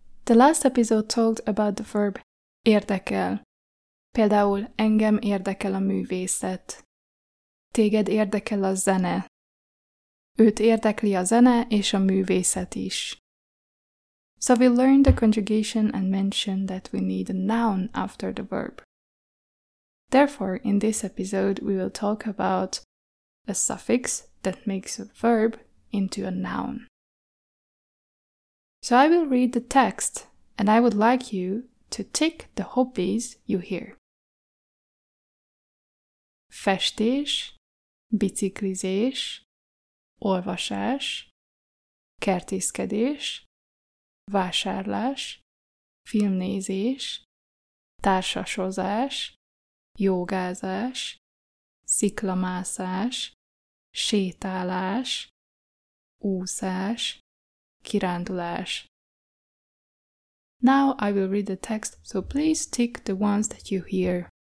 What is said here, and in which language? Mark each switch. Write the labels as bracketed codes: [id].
[en] The last episode talked about the verb érdekel. [hu] Például engem érdekel a művészet. Téged érdekel a zene. Őt érdekli a zene és a művészet is. [en] So we learned the conjugation and mentioned that we need a noun after the verb. Therefore, in this episode, we will talk about a suffix that makes a verb into a noun. So I will read the text, and I would like you to tick the hobbies you hear. [hu] Festés, biciklizés, olvasás, kertészkedés, vásárlás, filmnézés, társasozás, jógázás, sziklamászás, sétálás, úszás, kirándulás. [en] Now I will read the text, so please tick the ones that you hear.